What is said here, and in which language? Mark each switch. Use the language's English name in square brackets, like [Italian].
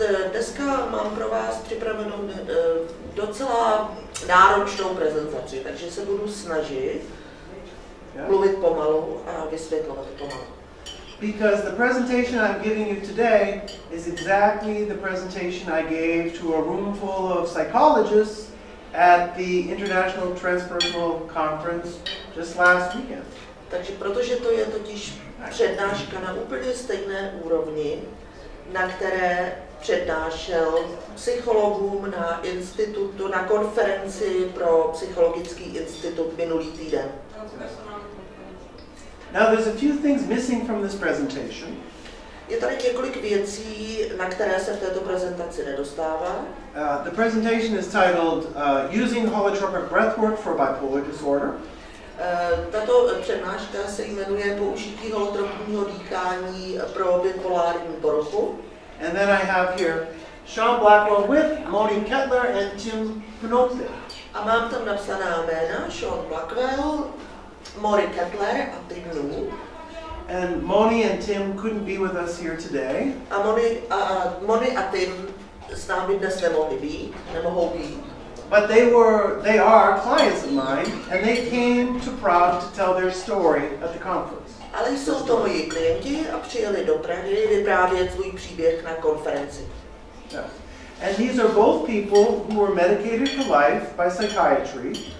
[Czech] Dneska mám pro vás připravenou docela náročnou prezentaci, takže se budu snažit mluvit pomalu a vysvětlovat pomalu. [English] Because the presentation I'm giving you today is exactly the presentation I gave to a room full of psychologists at the International Transpersonal Conference just last weekend. [Czech] Takže protože to je totiž přednáška na úplně stejné úrovni, na které přednášel psychologům na institutu, na konferenci pro psychologický institut minulý týden. [English] Now there's a few things missing from this presentation. [Czech] Je tady několik věcí, na které se v této prezentaci nedostává. [English] The presentation is titled Using Holotropic Breathwork for Bipolar Disorder. [Czech] Tato přednáška se jmenuje Použití holotropního dýchání pro bipolární poruchu. [English] And then I have here Sean Blackwell with Maureen Kettler and Tim Pnopte. [Czech] A mám tam napsaná jména Sean Blackwell, Maureen Kettler a Tim Pnopte. [English] And Moni and Tim couldn't be with us here today. [Czech] A Moni a Tim s námi dnes nemohli být, nemohou být. [English] But they are clients of mine, and they came to Prague to tell their story at the conference. [Czech] Ale jsou to moji klienti a přijeli do Prahy vyprávět svůj příběh na konferenci. [English] Yes. And these are both people who were medicated for life by psychiatry.